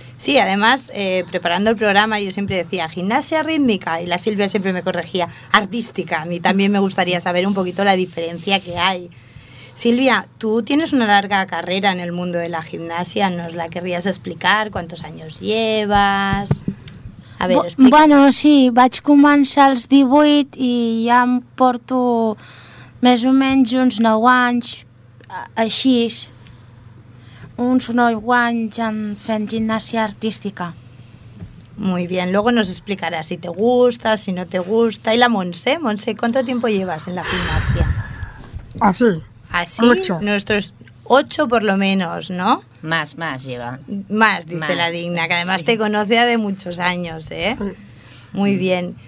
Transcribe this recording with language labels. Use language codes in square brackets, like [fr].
[es] Sí, además, preparando el programa yo siempre decía gimnasia rítmica y la Silvia siempre me corregía artística. A mí también me gustaría saber un poquito la diferencia que hay. Silvia, tú tienes una larga carrera en el mundo de la gimnasia, ¿nos la querrías explicar? ¿Cuántos años llevas? [ca] A ver, bueno, sí, vaig començar als 18 i ja em porto més o menys uns 9 anys així, uns 9 anys fent gimnàsia artística. [es] Muy bien, luego nos explicarás si te gusta, si no te gusta. ¿Y la Montse? Montse, ¿cuánto tiempo llevas en la gimnasia? Así. ¿Así? Mucho. Nuestros 8 por lo menos, ¿no? Más lleva. Más, dice más, la Digna, que además sí. Te conoce de muchos años, ¿eh? Muy bien.